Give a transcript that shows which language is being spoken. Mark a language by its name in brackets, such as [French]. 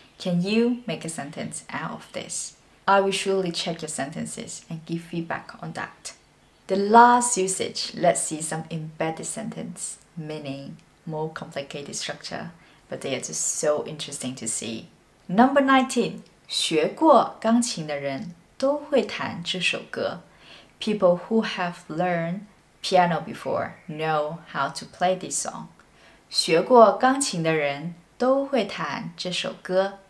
[English] Can you make a sentence out of this? I will surely check your sentences and give feedback on that. The last usage, let's see some embedded sentence, meaning more complicated structure, but they are just so interesting to see. Number 19. [Chinese] 学过钢琴的人都会弹这首歌. [English] People who have learned piano before know how to play this song. [Chinese] 学过钢琴的人都会弹这首歌.